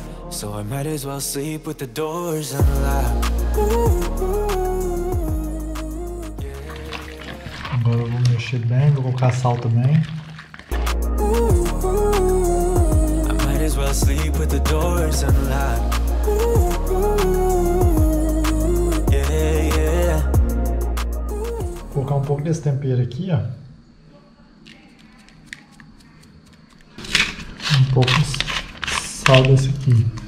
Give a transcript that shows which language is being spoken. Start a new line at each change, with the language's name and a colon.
English: So I might as well sleep with the doors unlocked.
Portuguese: Agora eu vou mexer bem, vou colocar sal também.
English: I might as well sleep with the doors unlocked. Yeah, yeah.
Portuguese: Vou colocar um pouco desse tempero aqui, ó. Um pouco de sal desse aqui.